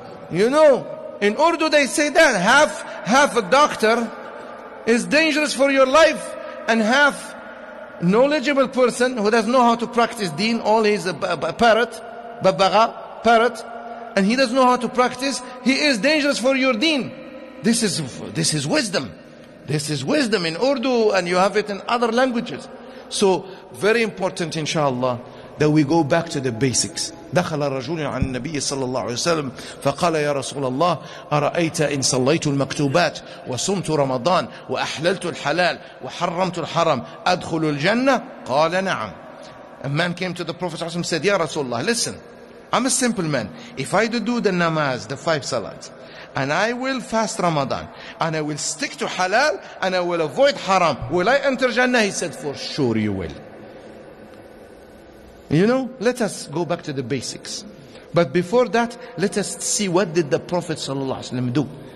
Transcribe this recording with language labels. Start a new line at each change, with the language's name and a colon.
English: You know, in Urdu they say that half a doctor is dangerous for your life, and half knowledgeable person who doesn't know how to practice deen, all he's a parrot, and he doesn't know how to practice, he is dangerous for your deen. This is wisdom. This is wisdom in Urdu, and you have it in other languages. So very important, inshallah, that we go back to the basics.
Arabic: دخل الرجل عن النبي صلى الله عليه وسلم فقال يا رسول الله أرأيت إن صليت المكتوبات وصمت رمضان وأحللت الحلال وحرمت الحرم أدخل الجنة؟ قال نعم.
English: A man came to the Prophet ﷺ said, يا رسول الله, listen, I'm a simple man. If I do the namaz, the five salats, and I will fast Ramadan, and I will stick to halal, and I will avoid haram, will I enter Jannah? He said, for sure you will. You know, let us go back to the basics. But before that, let us see what did the Prophet sallallahu alaihi wasallam do.